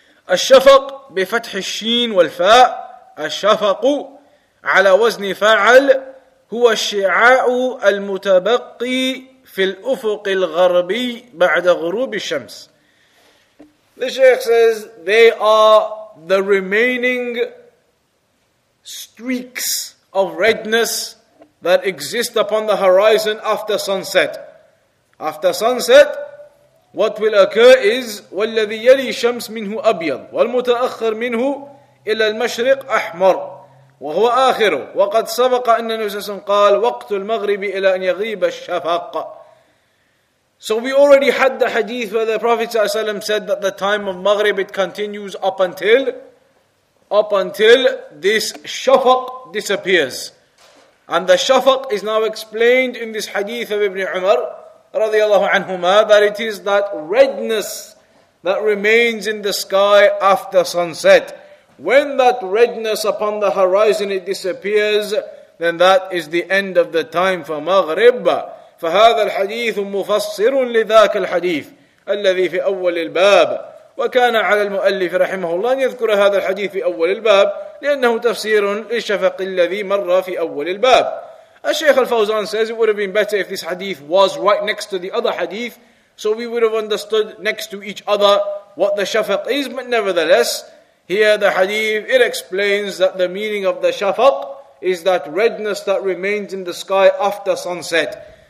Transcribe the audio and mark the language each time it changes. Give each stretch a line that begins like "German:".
Arabic: الشفق بفتح الشين والفاء, الشفق على وزن فاعل, هو الشعاع المتبقي في الأفق الغربي بعد غروب الشمس.
English: The Shaykh says, they are the remaining streaks of redness that exist upon the horizon after sunset. After sunset, what will occur is
Arabic: وَالَّذِي يَلِي شَمْسٍ مِنْهُ أَبْيَضٍ وَالْمُتَأَخِّرْ مِنْهُ إِلَى الْمَشْرِقِ أَحْمَرٍ وَهُوَ آخِرُ وَقَدْ سَبَقَ أَنَّ نُسَسٍ قَالْ وَقْتُ الْمَغْرِبِ إِلَى أَنْ يَغِيبَ الشَّفَقَ.
English: So we already had the hadith where the Prophet ﷺ said that the time of Maghrib, it continues up until this shafaq disappears. And the shafaq is now explained in this hadith of Ibn Umar radiyallahu anhuma, that it is that redness that remains in the sky after sunset. When that redness upon the horizon it disappears, then that is the end of the time for Maghrib.
Arabic: فهذا الحديث مفسر لذاك الحديث الذي في أول الباب وكان على المؤلف رحمه الله أن يذكر هذا الحديث في أول الباب لأنه تفسير للشفق الذي مر في أول الباب.
English: الشيخ الفوزان says it would have been better if this hadith was right next to the other hadith, so we would have understood next to each other what the shafaq is, but nevertheless Here the hadith, it explains that the meaning of the shafaq is that redness that remains in the sky after sunset.